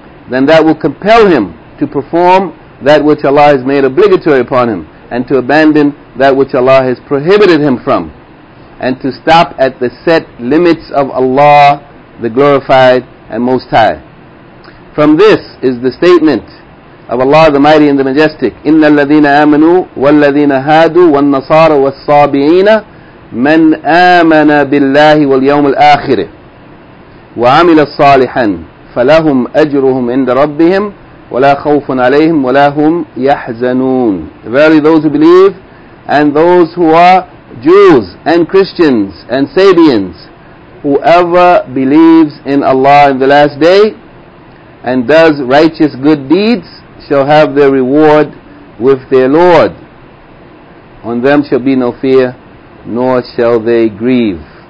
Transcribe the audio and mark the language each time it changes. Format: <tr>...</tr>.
<en>then that will compel him to perform that which Allah has made obligatory upon him, and to abandon that which Allah has prohibited him from, and to stop at the set limits of Allah, the Glorified and Most High. From this is the statement of Allah the Mighty and the Majestic,</en> <ar>إِنَّ الَّذِينَ آمَنُوا وَالَّذِينَ هَادُوا وَالنَّصَارَ وَالصَّابِعِينَ مَنْ آمَنَ بِاللَّهِ وَالْيَوْمِ الْآخِرِ وَعَمِلَ الصَّالِحًا فَلَهُمْ أَجْرُهُمْ عِنْدَ رَبِّهِمْ وَلَا خَوْفٌ عَلَيْهِمْ وَلَا هُمْ يَحْزَنُونَ.</ar> <en>Verily those who believe and those who are Jews and Christians and Sabians, whoever believes in Allah in the last day and does righteous good deeds shall have their reward with their Lord. On them shall be no fear, nor shall they grieve.</en>